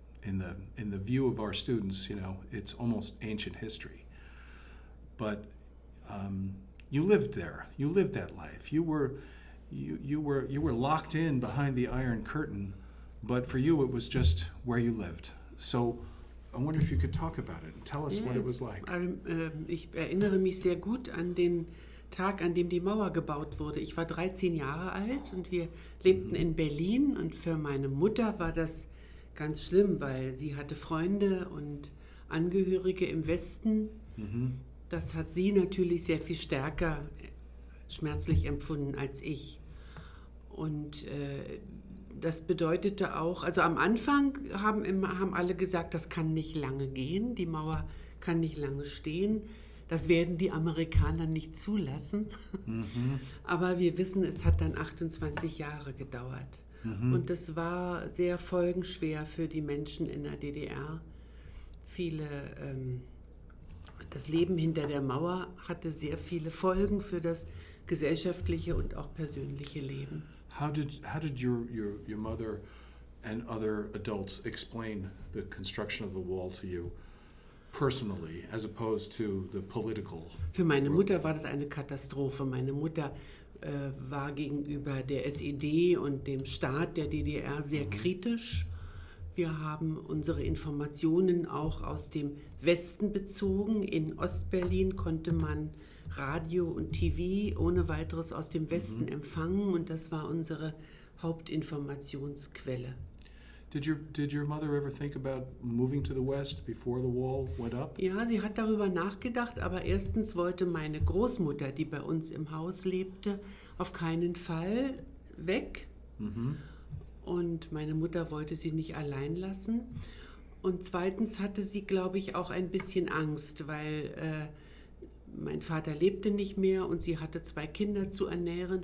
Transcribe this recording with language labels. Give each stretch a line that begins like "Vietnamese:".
English: In the view of our students, you know, it's almost ancient history. But you lived there. You lived that life. You were locked in behind the Iron Curtain, but for you, it was just where you lived. So I wonder if you could talk about it and tell us what it was like.
German: Ich erinnere mich sehr gut an den Tag, an dem die Mauer gebaut wurde. Ich war 13 Jahre alt und wir lebten in Berlin. Und für meine Mutter war das ganz schlimm, weil sie hatte Freunde und Angehörige im Westen. Das hat sie natürlich sehr viel stärker schmerzlich empfunden als ich. Und das bedeutete auch, also am Anfang haben alle gesagt, das kann nicht lange gehen, die Mauer kann nicht lange stehen, das werden die Amerikaner nicht zulassen. Aber wir wissen, es hat dann 28 Jahre gedauert. Und das war sehr folgenschwer für die Menschen in der DDR. Viele, das Leben hinter der Mauer hatte sehr viele Folgen für das gesellschaftliche und auch persönliche Leben.
English: How did your mother and other adults explain the construction of the wall to you personally, as opposed to the political?
German: Für meine Mutter war das eine Katastrophe. Meine Mutter war gegenüber der SED und dem Staat der DDR sehr kritisch. Wir haben unsere Informationen auch aus dem Westen bezogen. In Ost-Berlin konnte man Radio und TV ohne weiteres aus dem Westen empfangen, und das war unsere Hauptinformationsquelle.
English: Did your mother ever think about moving to the West before the wall went up?
German: Ja, sie hat darüber nachgedacht, aber erstens wollte meine Großmutter, die bei uns im Haus lebte, auf keinen Fall weg. Und meine Mutter wollte sie nicht allein lassen. Und zweitens hatte sie, glaube ich, auch ein bisschen Angst, weil mein Vater lebte nicht mehr und sie hatte zwei Kinder zu ernähren.